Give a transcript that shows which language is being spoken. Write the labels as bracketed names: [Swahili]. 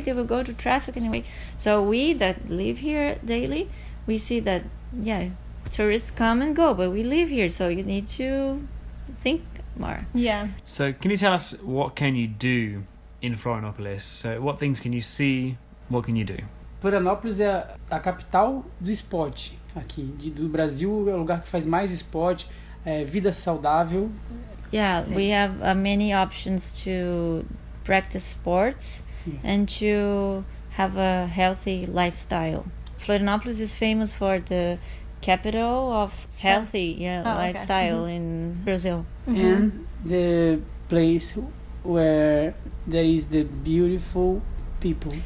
[English] They will go to traffic anyway. So we that live here daily, we see that, yeah, tourists come and go, but we live here, so you need to think more. Yeah. So can you tell us what can you do in Florianópolis? So what things can you see? What can you do? [Portuguese] Florianópolis é a capital do esporte aqui, do Brasil, é o lugar que faz mais esporte, é vida saudável. [English] Yeah, sim. We have many options to practice sports and to have a healthy lifestyle. Florianópolis is famous for the capital of healthy lifestyle in Brazil. Mm-hmm. And the place where there is the beautiful people.